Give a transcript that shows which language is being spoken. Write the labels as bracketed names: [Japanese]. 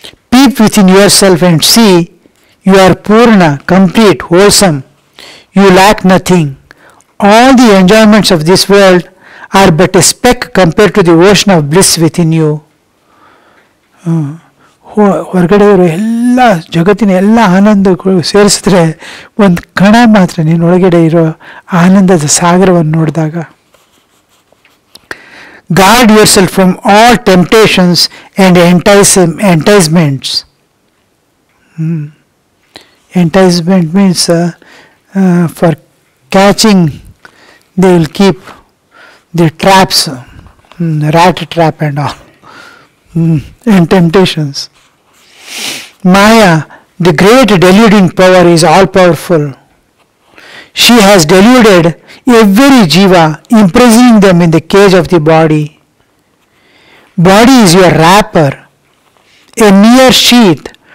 [English] Peep within yourself and see you are Purna, complete, wholesome. You lack nothing. All the enjoyments of this world are but a speck compared to the ocean of bliss within you. [Kannada] ಹೊರಗಡೆಯವರು ಎಲ್ಲ ಜಗತ್ತಿನ ಎಲ್ಲ ಆನಂದಗಳು ಸೇರಿಸಿದ್ರೆ ಒಂದು ಕಣ ಮಾತ್ರ ನೀನು ಒಳಗಡೆ ಇರೋ ಆನಂದದ ಸಾಗರವನ್ನು ನೋಡಿದಾಗ. [English] Guard yourself from all temptations and enticements. Enticement means for catching they will keep the traps rat trap and all and temptations. Maya, the great deluding power, is all powerful. She has deluded every jiva, imprisoning them in the cage of the body. Body is your wrapper, a mere sheet.